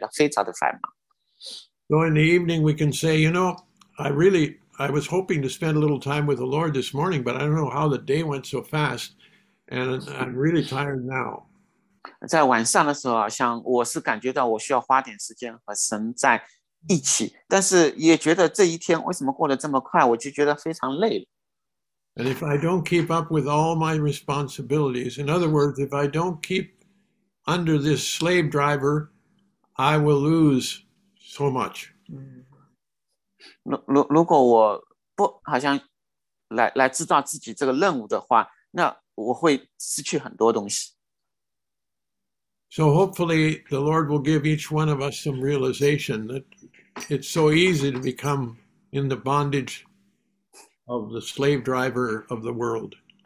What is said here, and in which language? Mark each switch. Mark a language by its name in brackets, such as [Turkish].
[English] So in the evening we can say, you know, I was hoping to spend a little time with the Lord this morning, but I don't know how the day went so fast, and I'm really tired now. [Chinese] 在晚上的时候，像我是感觉到我需要花点时间和神在一起，但是也觉得这一天为什么过得这么快，我就觉得非常累了。 [English] And if I don't keep up with all my responsibilities, in other words, if I don't keep under this slave driver, I will lose so much. [Chinese] 如果我不好像来制造自己这个任务的话，那我会失去很多东西。 [English] So hopefully the Lord will give each one of us some realization that it's so easy to become in the bondage of the slave driver of the world.